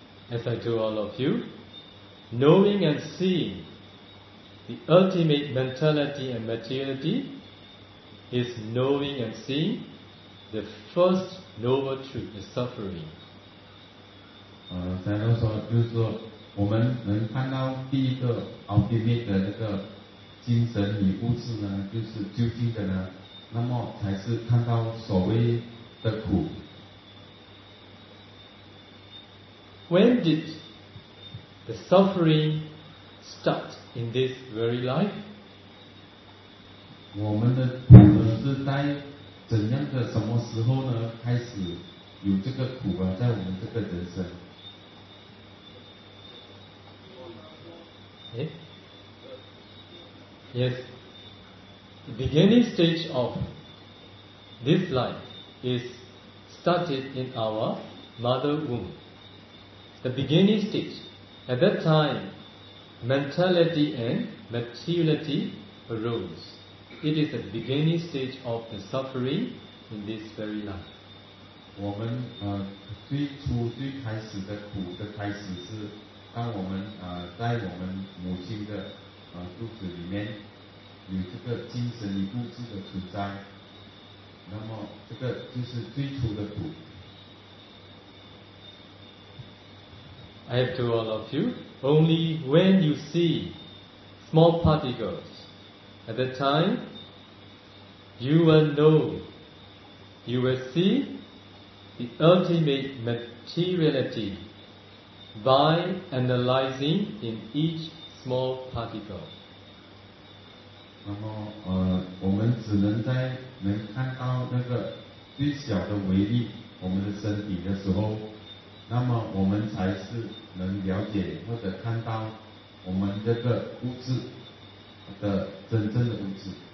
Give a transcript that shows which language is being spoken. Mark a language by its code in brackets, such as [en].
[en] As I told all of you, knowing and seeing the ultimate mentality and materiality is knowing and seeing The first noble truth is suffering. [zh] 再来说，就是说我们能看到第一个 ultimate 的那个精神与物质呢，就是究竟的呢，那么才是看到所谓的苦。 [en] When did the suffering start in this very life? [zh] 我们的苦呢是在怎样的什么时候呢开始有这个苦啊在我们这个人生？ [en] Yes, the beginning stage of this life is started in our mother womb. The beginning stage, at that time, mentality and materiality arose. It is the beginning stage of the suffering in this very life. [zh] 我们最初最开始的苦的开始是当我们在我们母亲的肚子里面有这个精神与物质的存在，那么这个就是最初的苦。 [en] I have to all of you, only when you see small particles, at that time, you will know, you will see the ultimate materiality by analyzing in each small particle. [zh] 那么我们只能在能看到那个最小的微粒我们的身体的时候，那么我们才是能了解或者看到我们这个物质的真正的物质。